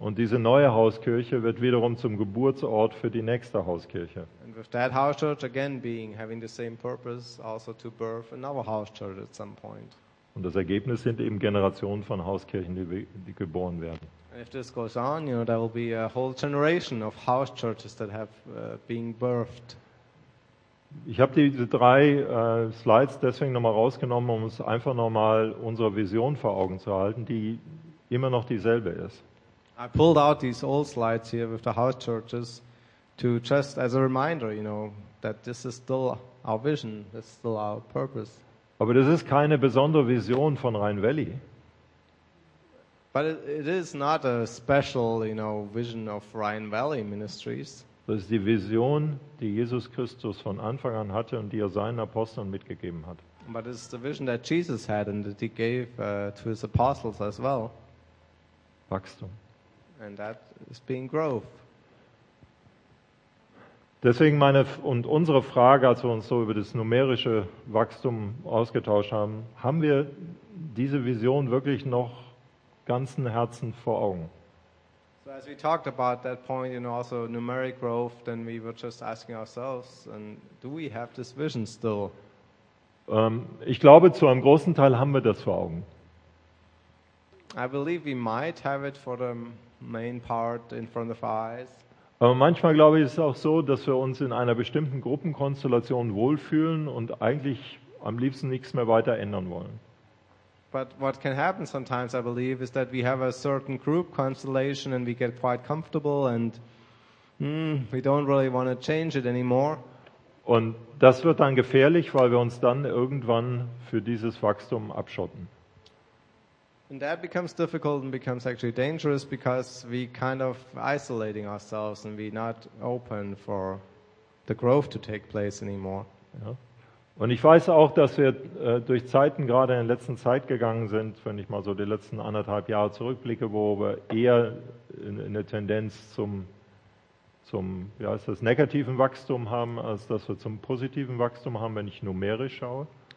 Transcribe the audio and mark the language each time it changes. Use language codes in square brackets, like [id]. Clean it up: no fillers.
[de] Und diese neue Hauskirche wird wiederum zum Geburtsort für die nächste Hauskirche. [en] And with that house church again being having the same purpose, also to birth another house church at some point. [de] Und das Ergebnis sind eben Generationen von Hauskirchen, die geboren werden. [en] And if this goes on, you know, there will be a whole generation of house churches that have been birthed. [de] Ich habe diese drei Slides deswegen nochmal rausgenommen, um uns einfach nochmal unsere Vision vor Augen zu halten, die immer noch dieselbe ist. [en] I pulled out these old slides here with the house churches to just as a reminder, you know, that this is still our vision, this is still our purpose. [de] Aber das ist keine besondere Vision von Rhine Valley. [en] But it is not a special, you know, vision of Rhine Valley Ministries. [de] Das ist die Vision, die Jesus Christus von Anfang an hatte und die er seinen Aposteln mitgegeben hat. [en] But it's the vision that Jesus had and that he gave to his apostles as well. [de] Wachstum. [en] And that is being growth. [de] Deswegen meine und unsere Frage, als wir uns so über das numerische Wachstum ausgetauscht haben, haben wir diese Vision wirklich noch ganzen Herzen vor Augen? [en] So as we talked about that point, you know, also numeric growth, then we were just asking ourselves, and do we have this vision still? [de] Ich glaube, zu einem großen Teil haben wir das vor Augen. [en] I believe we might have it for the main part in front of our eyes. [de] Aber manchmal glaube ich, ist es auch so, dass wir uns in einer bestimmten Gruppenkonstellation wohlfühlen und eigentlich am liebsten nichts mehr weiter ändern wollen. [en] But what can happen sometimes, I believe, is that we have a certain group constellation and we get quite comfortable and we don't really want to change it anymore. [de] Und das wird dann gefährlich, weil wir uns dann irgendwann für dieses Wachstum abschotten. [en] And that becomes difficult and becomes actually dangerous because we kind of isolating ourselves and we not open for the growth to take place anymore. [de] Ja. Und ich weiß auch, dass wir durch Zeiten gerade in der letzten Zeit gegangen sind, wenn ich mal so die letzten anderthalb Jahre zurückblicke, wo wir eher eine Tendenz zum wie heißt das, negativen Wachstum haben, als dass wir zum positiven Wachstum haben, wenn ich numerisch schaue.